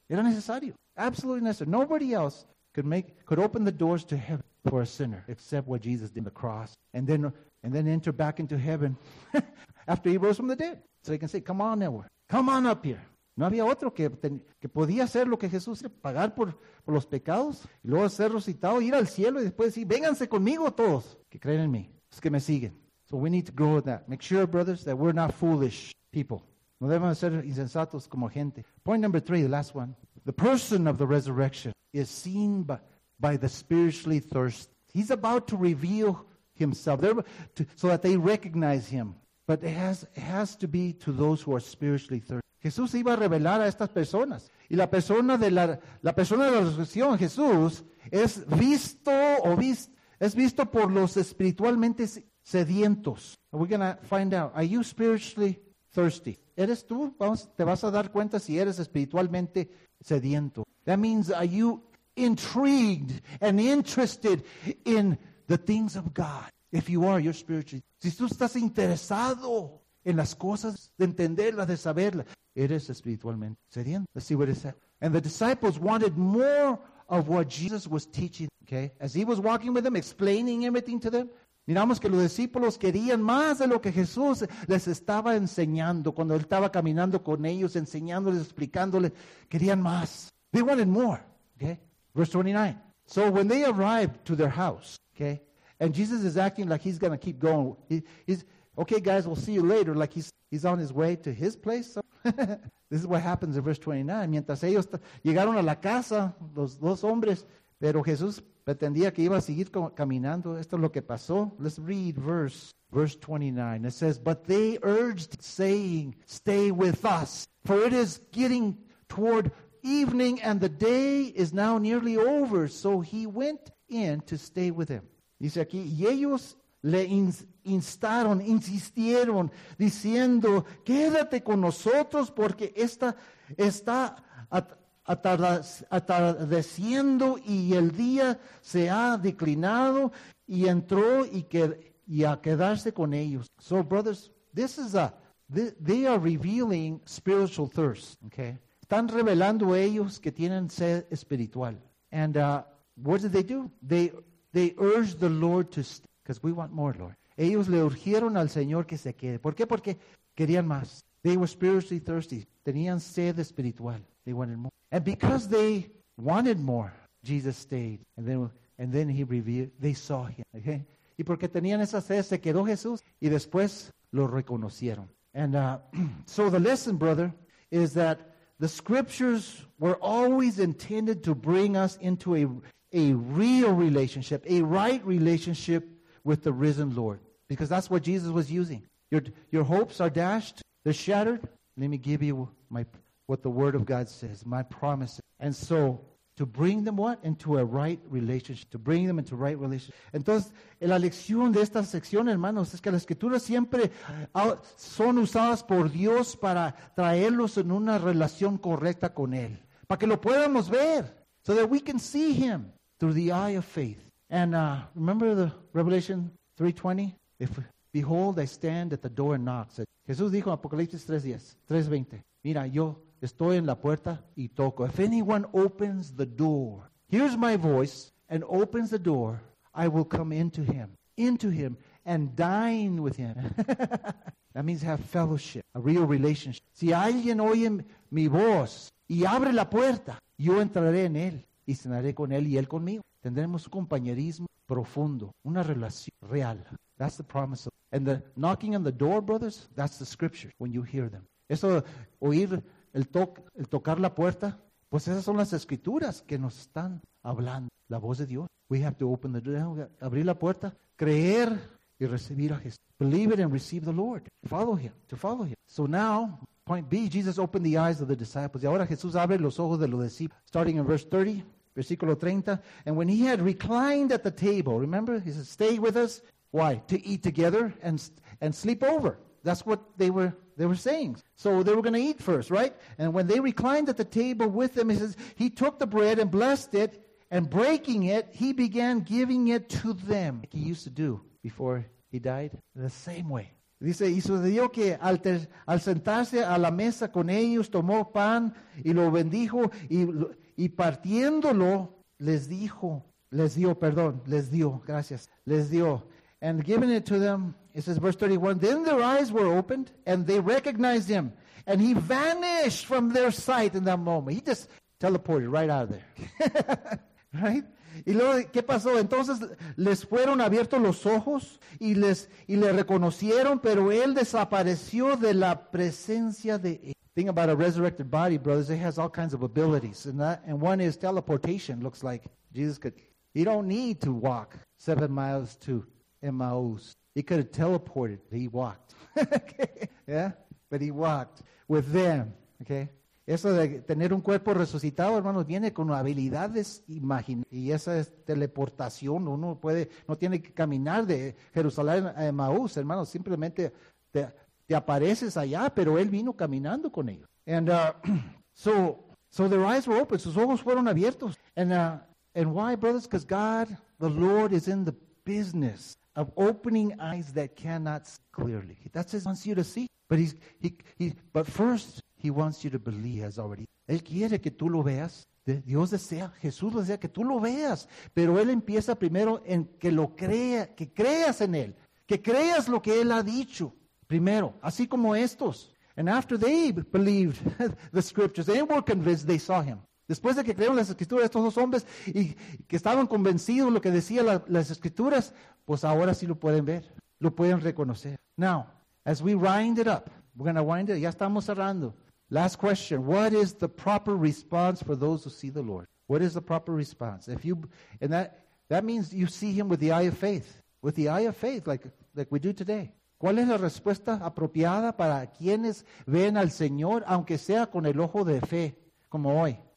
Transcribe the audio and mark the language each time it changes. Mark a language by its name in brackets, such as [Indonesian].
[Spanish] Era necesario. [English] Absolutely necessary. Nobody else could open the doors to heaven for a sinner, except what Jesus did on the cross, and then enter back into heaven after he rose from the dead. So he can say, come on now, come on up here. [Spanish] No había otro que podía hacer lo que Jesús hizo, pagar por los pecados, y luego ser resucitado, ir al cielo, y después decir, vénganse conmigo todos, que creen en mí, es que me siguen. [English] So we need to grow in that. Make sure, brothers, that we're not foolish people. [Spanish] No debemos ser insensatos como gente. [English] Point number three, the last one. The person of the resurrection is seen by the spiritually thirsty. He's about to reveal himself so that they recognize him. But it has to be to those who are spiritually thirsty. [Spanish] Jesús iba a revelar a estas personas. Y la persona de la resurrección, Jesús, es visto por los espiritualmente sedientos. [English] We're going to find out. Are you spiritually thirsty? [Spanish] ¿Eres tú? Te vas a dar cuenta si eres espiritualmente sediento. [English] That means, are you intrigued and interested in the things of God? If you are, you're spiritually. [Spanish] Si tú estás interesado en las cosas, de entenderlas, de saberlas, eres espiritualmente sediento. [English] Let's see what it said. And the disciples wanted more of what Jesus was teaching. Okay? As he was walking with them, explaining everything to them. [Spanish] Miramos que los discípulos querían más de lo que Jesús les estaba enseñando. Cuando él estaba caminando con ellos, enseñándoles, explicándoles, querían más. [English] They wanted more. Okay? Verse 29. So when they arrived to their house, okay, and Jesus is acting like he's going to keep going. He's okay, guys, we'll see you later. Like he's on his way to his place. So. This is what happens in verse 29. [Spanish] Mientras ellos llegaron a la casa, los dos hombres, pero Jesús pretendía que iba a seguir caminando. Esto es lo que pasó. [English] Let's read verse 29. It says, but they urged, saying, stay with us, for it is getting toward evening, and the day is now nearly over. So he went in to stay with them. [Spanish] Dice aquí, y ellos le instaron, insistieron, diciendo, quédate con nosotros, porque esta está atardeciendo y el día se ha declinado, y entró y a quedarse con ellos. [English] So brothers, they are revealing spiritual thirst. Okay. [Spanish] Están revelando ellos que tienen sed espiritual. [English] And what did they do? They urged the Lord to stay. Because we want more, Lord. [Spanish] Ellos le urgieron al Señor que se quede. ¿Por qué? Porque querían más. [English] They were spiritually thirsty. [Spanish] Tenían sed espiritual. [English] They wanted more. And because they wanted more, Jesus stayed. And then he revealed, they saw him. Okay? [Spanish] Y porque tenían esa sed, se quedó Jesús. Y después lo reconocieron. [English] And so the lesson, brother, is that the scriptures were always intended to bring us into a real relationship, a right relationship with the risen Lord. Because that's what Jesus was using. Your hopes are dashed. They're shattered. Let me give you what the word of God says, my promises. And so, to bring them what? Into a right relationship. To bring them into right relationship. [Spanish] Entonces, en la lección de esta sección, hermanos, es que las escrituras siempre son usadas por Dios para traerlos en una relación correcta con Él. Para que lo podamos ver. [English] So that we can see Him through the eye of faith. And remember the Revelation 3:20? If behold, I stand at the door and knock. Said, [Spanish] Jesús dijo en Apocalipsis 3:20. Mira, yo estoy en la puerta y toco. [English] If anyone opens the door, hears my voice and opens the door, I will come into him and dine with him. That means have fellowship, a real relationship. [Spanish] Si alguien oye mi voz y abre la puerta, yo entraré en él y cenaré con él y él conmigo. Tendremos un compañerismo profundo, una relación real. [English] That's the promise of. And the knocking on the door, brothers, that's the scripture when you hear them. [Spanish] Eso, oír el tocar la puerta, pues esas son las escrituras que nos están hablando. La voz de Dios. [English] We have to open the door, [Spanish] abrir la puerta, creer y recibir a Jesús. [English] Believe it and receive the Lord. Follow him, to follow him. So now, point B, Jesus opened the eyes of the disciples. [Spanish] Y ahora Jesús abre los ojos de los discípulos. [English] Starting in verse 30. [Spanish] Versículo 30, [English] and when he had reclined at the table, remember, he said, stay with us. Why? To eat together and sleep over. That's what they were saying. So they were going to eat first, right? And when they reclined at the table with them, he says, he took the bread and blessed it, and breaking it, he began giving it to them. Like he used to do before he died, the same way. [Spanish] Dice, y sucedió que al sentarse a la mesa con ellos, tomó pan y lo bendijo y partiéndolo, les dio. [English] And giving it to them, it says, verse 31, then their eyes were opened, and they recognized him. And he vanished from their sight in that moment. He just teleported right out of there. Right? [Spanish] Y luego, ¿qué pasó? Entonces, les fueron abiertos los ojos, y le reconocieron, pero él desapareció de la presencia de él. [English] Thing about a resurrected body, brothers, it has all kinds of abilities. And one is teleportation. Looks like Jesus could, he don't need to walk 7 miles to Emmaus. He could have teleported, but he walked. Okay. Yeah? But he walked with them. Okay? [Spanish] Eso de tener un cuerpo resucitado, hermanos, viene con habilidades imaginarias. Y esa es teleportación. Uno puede, no tiene que caminar de Jerusalén a Emmaus, hermanos. Simplemente te apareces allá, pero él vino caminando con ellos. [English] And so their eyes were open. [Spanish] Sus ojos fueron abiertos. [English] And why, brothers? Because God, the Lord, is in the business of opening eyes that cannot see clearly. That's what he wants you to see. But first, he wants you to believe, as already. [Spanish] Él quiere que tú lo veas. Dios desea, Jesús desea que tú lo veas. Pero él empieza primero en que lo crea, que creas en él. Que creas lo que él ha dicho. Primero, así como estos. [English] And after they believed the scriptures, they were convinced they saw him. [Spanish] Después de que creyeron las escrituras, estos dos hombres, y que estaban convencidos de lo que decían las escrituras, pues ahora sí lo pueden ver, lo pueden reconocer. [English] Now, as we wind it up, we're going to wind it up, [Spanish] ya estamos cerrando. [English] Last question, what is the proper response for those who see the Lord? What is the proper response? If you, and that means you see him with the eye of faith, like we do today. [Spanish] ¿Cuál es la respuesta apropiada para quienes ven al Señor, aunque sea con el ojo de fe, como hoy?